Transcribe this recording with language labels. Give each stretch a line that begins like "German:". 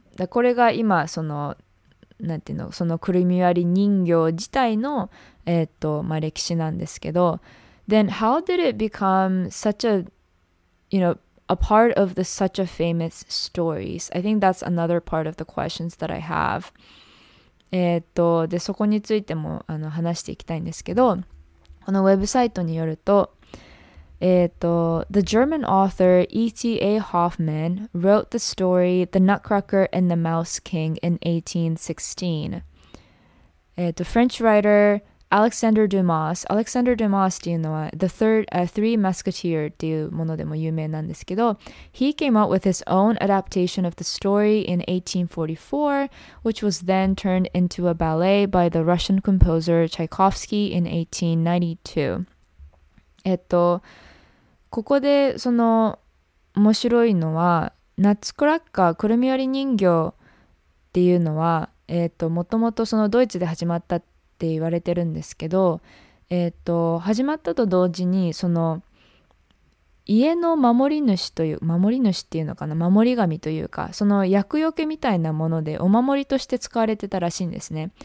Japanese: これが今そのなんていうの、そのくるみ割り人形自体の歴史なんですけど、
English: Then how did it become such a, you know, a part of the such a famous stories? I think that's another part of the questions that I have.
Japanese: でそこについても話していきたいんですけど、このウェブサイトによると、
English: The German author E.T.A. Hoffmann wrote the story The Nutcracker and the Mouse King in 1816. French writer Alexandre Dumas
Japanese: っていうのは
English: The Third, Three Musketeer
Japanese: っていうものでも有名なんですけど、
English: He came up with his own adaptation of the story in 1844, which was then turned into a ballet by the Russian composer Tchaikovsky in 1892.
Japanese: ここでその面白いのは、ナッツクラッカー、くるみ割り人形っていうのは、もともとそのドイツで始まったって言われてるんですけど、始まったと同時にその家の守り主という、守り主っていうのかな、守り神というか、その厄除けみたいなものでお守りとして使われてたらしいんですね。